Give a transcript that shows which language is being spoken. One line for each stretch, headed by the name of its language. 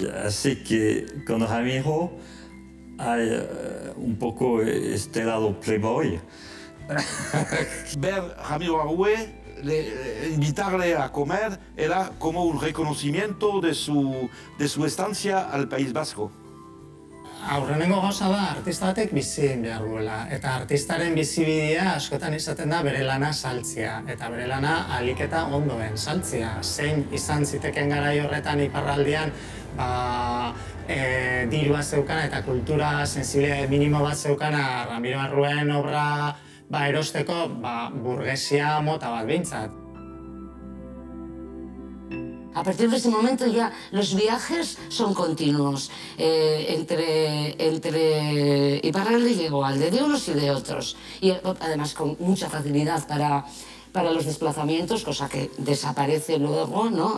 Spanish: Así que con Ramiro hay un poco este lado playboy. Ver Ramiro Arrué, invitarle a comer, era como un reconocimiento de su estancia al País Vasco.
Basque: Aurrenengo gauza da artista batek bizi egin behar duela, eta artistaren bizibidea askotan izaten da bere lana saltzea, eta bere lana aliketa ondoen saltzea. Zein izan ziteken garai horretan iparraldean, ba, dirua zeukana eta kultura sensibilitate minimo bat zeukana Ramiro Arruen obra ba, erosteko ba, burgesia mota bat behintzat.
Spanish: A partir de ese momento ya los viajes son continuos entre Iparralde y Egoalde, de unos y de otros. Y además con mucha facilidad para los desplazamientos, cosa que desaparece luego, ¿no?